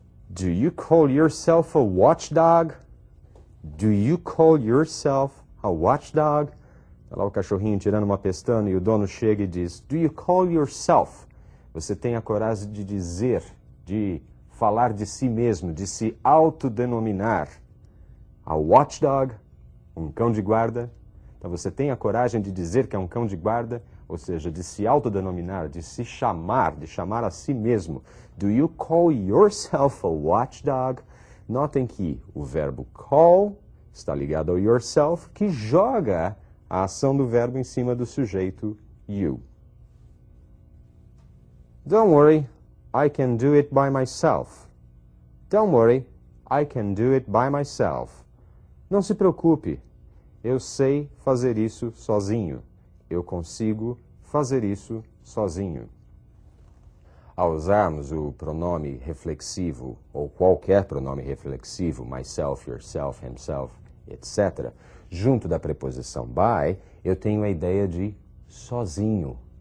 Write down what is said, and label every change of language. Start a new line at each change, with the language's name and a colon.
English: Do you call yourself a watchdog? Do you call yourself a watchdog?
Portuguese: Lá o cachorrinho tirando uma pestana e o dono chega e diz,
English: do you call yourself?
Portuguese: Você tem a coragem de dizer, de falar de si mesmo, de se autodenominar. A watchdog, um cão de guarda. Então você tem a coragem de dizer que é um cão de guarda, ou seja, de se autodenominar, de se chamar, de chamar a si mesmo.
English: Do you call yourself a watchdog?
Portuguese: Notem que o verbo call está ligado ao yourself, que joga a ação do verbo em cima do sujeito, you.
English: Don't worry, I can do it by myself. Don't worry, I can do it by myself.
Portuguese: Não se preocupe, eu sei fazer isso sozinho. Eu consigo fazer isso sozinho. Ao usarmos o pronome reflexivo, ou qualquer pronome reflexivo, myself, yourself, himself, etc., junto da preposição by, eu tenho a ideia de sozinho.